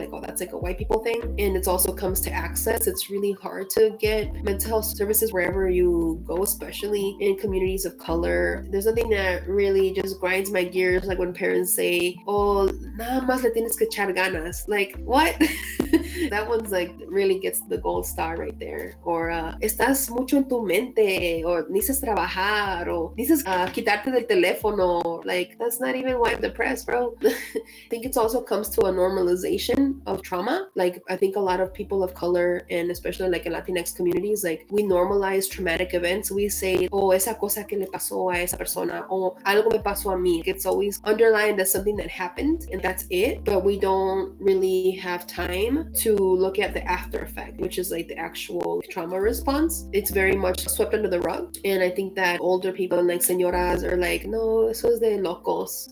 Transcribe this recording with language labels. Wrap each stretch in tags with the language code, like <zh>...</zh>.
<en>Like, oh, that's like a white people thing. And it also comes to access. It's really hard to get mental health services wherever you go, especially in communities of color. There's nothing that really just grinds my gears, like when parents say, oh,</en> <es>nada más le tienes que echar ganas.</es> <en>Like, what? That one's like really gets the gold star right there.</en> <es>Or estás mucho en tu mente, or necesitas trabajar, or necesitas quitarte del teléfono.</es> <en>Like, that's not even why I'm depressed, bro. I think it also comes to a normalization of trauma. Like, I think a lot of people of color, and especially like in Latinx communities, like, we normalize traumatic events. We say, oh,</en> <es>esa cosa que le pasó a esa persona, o algo me pasó a mí.</es> <en>It's always underlined as something that happened, and that's it. But we don't really have time to look at the after effect, which is like the actual trauma response. It's very much swept under the rug. And I think that older people, like señoras, are like,</en> <es>no, eso es de locos.</es>